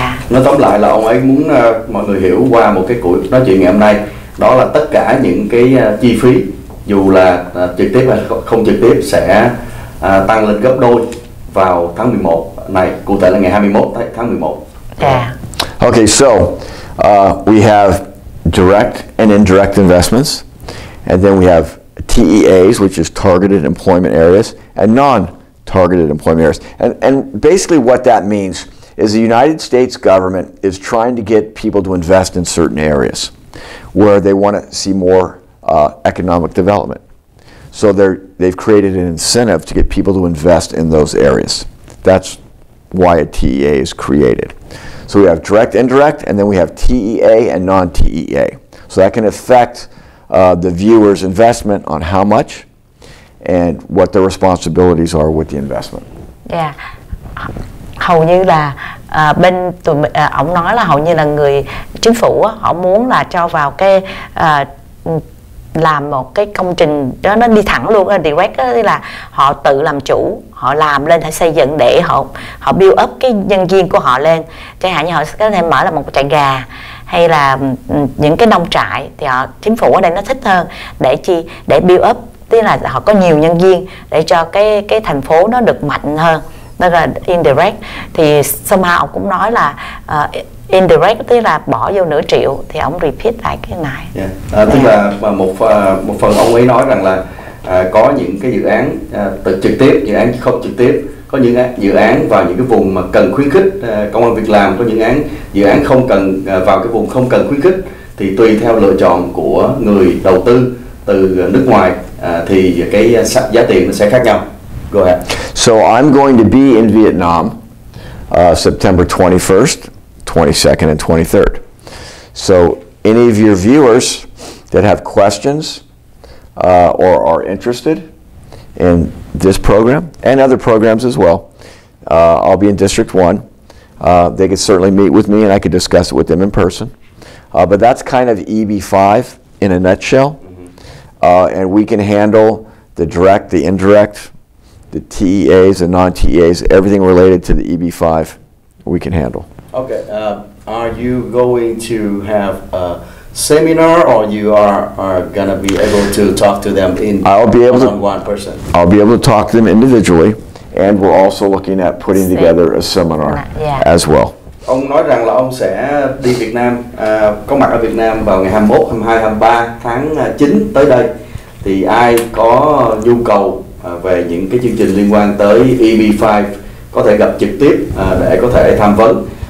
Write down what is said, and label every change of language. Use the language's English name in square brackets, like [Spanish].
[Vietnamese] Nói tóm lại là ông ấy muốn mọi người hiểu qua một cái cuộc nói chuyện ngày hôm nay, đó là tất cả những cái chi phí dù là trực tiếp hay không trực tiếp sẽ tăng lên gấp đôi vào tháng 11 này, cụ thể là ngày 21 tháng 11. [English] Yeah. Okay, so we have direct and indirect investments, and then we have TEAs, which is targeted employment areas, and non-targeted employment areas. And basically what that means is the United States government is trying to get people to invest in certain areas where they want to see more economic development. So they've created an incentive to get people to invest in those areas. That's why a TEA is created. So we have direct, indirect, and then we have TEA and non-TEA. So that can affect the viewer's investment on how much and what their responsibilities are with the investment. Yeah. [Vietnamese] Hầu như là bên tụi ông nói là hầu như là người chính phủ họ muốn là cho vào cái làm một cái công trình đó nó đi thẳng luôn, direct đó, là họ tự làm chủ, họ làm lên, họ xây dựng để họ build up cái nhân viên của họ lên. Chẳng hạn như họ có thể mở là một trại gà hay là những cái nông trại thì họ chính phủ ở đây nó thích hơn để chi, để build up, tức là họ có nhiều nhân viên để cho cái thành phố nó được mạnh hơn. Đó là indirect. Thì somehow ông cũng nói là indirect tức là bỏ vô nửa triệu, thì ông repeat lại cái này. [English] Yeah. [Vietnamese] Tức là một phần ông ấy nói rằng là có những cái dự án trực tiếp, dự án không trực tiếp, có những dự án vào những cái vùng mà cần khuyến khích công ăn việc làm, có những dự án không cần vào cái vùng không cần khuyến khích, thì tùy theo lựa chọn của người đầu tư từ nước ngoài thì cái giá tiền nó sẽ khác nhau. [English] Go ahead. So I'm going to be in Vietnam September 21st, 22nd and 23rd. So any of your viewers that have questions or are interested in this program and other programs as well, I'll be in District 1. They could certainly meet with me and I could discuss it with them in person. But that's kind of EB-5 in a nutshell. And we can handle the direct, the indirect, the TEAs, the non-TEAs, everything related to the EB-5 we can handle. Okay, are you going to have a seminar or you are going to be able to talk to them in one person? I'll be able to talk to them individually, and we're also looking at putting together a seminar as well. [Vietnamese] Ông nói rằng là ông sẽ đi Việt Nam, có mặt ở Việt Nam vào ngày 21, 22, 23 tháng 9 tới đây. Thì ai có nhu cầu về những cái chương trình liên quan tới EB-5 có thể gặp trực tiếp để có thể tham vấn.